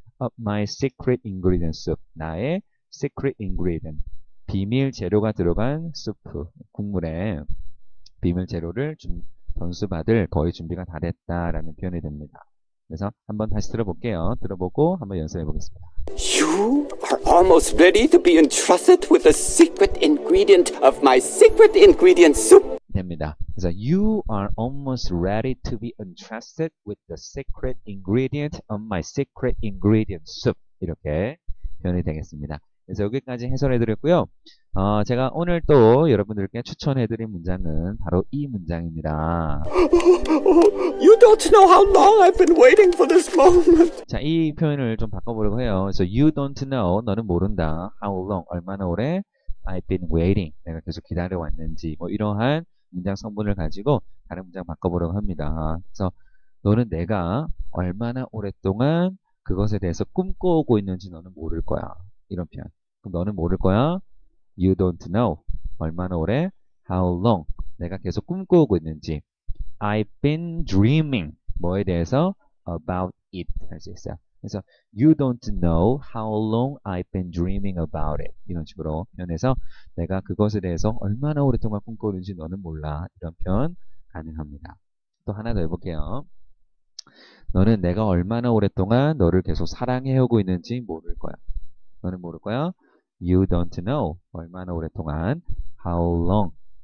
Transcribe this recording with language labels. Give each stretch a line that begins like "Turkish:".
English: Of my secret ingredient soup.
Korean: 나의
English: secret ingredient.
Korean: 비밀 재료가 들어간 수프, 국물에 비밀 재료를 전수받을 거의 준비가 다 됐다라는 표현이 됩니다. 그래서 한번 다시 들어볼게요. 들어보고 한번 연습해 보겠습니다.
English: You are almost ready to be entrusted with the secret ingredient of my secret ingredient soup.
Korean: 됩니다. 그래서
English: you are almost ready to be entrusted with the secret ingredient of my secret ingredient soup.
Korean: 이렇게 표현이 되겠습니다. 그래서 여기까지 해설해 드렸고요. 제가 오늘 또 여러분들께 추천해 드린 문장은 바로 이 문장입니다.
English: You don't know how long I've been waiting for this moment.
Korean: 자, 이 표현을 좀 바꿔보려고 해요. 그래서
English: you don't know,
Korean: 너는 모른다.
English: How long,
Korean: 얼마나 오래
English: I've been waiting,
Korean: 내가 계속 기다려 왔는지, 뭐 이러한 문장 성분을 가지고 다른 문장 바꿔보려고 합니다. 그래서 너는 내가 얼마나 오랫동안 그것에 대해서 꿈꿔오고 있는지 너는 모를 거야. 이런 표현. 그럼 너는 모를 거야.
English: You don't know.
Korean: 얼마나 오래.
English: How long.
Korean: 내가 계속 꿈꿔오고 있는지.
English: I've been dreaming.
Korean: 뭐에 대해서?
English: About it.
Korean: 할 수 있어요. 그래서
English: You don't know how long I've been dreaming about it.
Korean: 이런 식으로 표현해서 내가 그것에 대해서 얼마나 오랫동안 꿈꿔오고 있는지 너는 몰라. 이런 표현 가능합니다. 또 하나 더 해볼게요. 너는 내가 얼마나 오랫동안 너를 계속 사랑해오고 있는지 모를 거야. 너는 모를 거야.
English: You don't know.
Korean: 얼마나 오랫동안.
English: How long.